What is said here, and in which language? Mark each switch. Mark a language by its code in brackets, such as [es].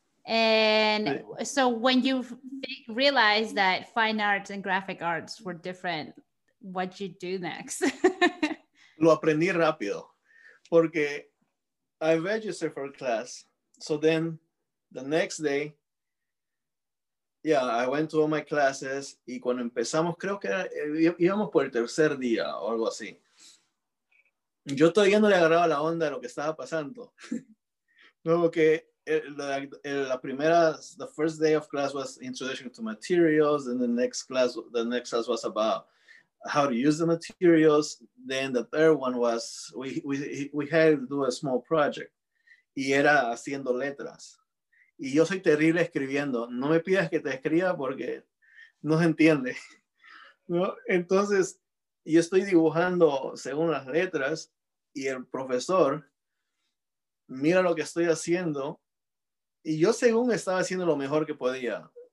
[en] And so when you realized that fine arts and graphic arts were different, what'd you do next? [es] Lo aprendí rápido, porque [en] I registered for a class. So then the next day, I went to all my classes. [es] Y cuando empezamos, creo que íbamos por el tercer día o algo así. Yo todavía no le agarraba la onda de lo que estaba pasando. Luego que [en] the first day of class was introduction to materials. And the next class was about how to use the materials. Then the third one was, we had to do a small project. [es] Y era haciendo letras. Y yo soy terrible escribiendo. No me pidas que te escriba porque no se entiende. ¿No? Entonces, yo estoy dibujando según las letras y el profesor mira lo que estoy haciendo y yo según estaba haciendo lo mejor que podía.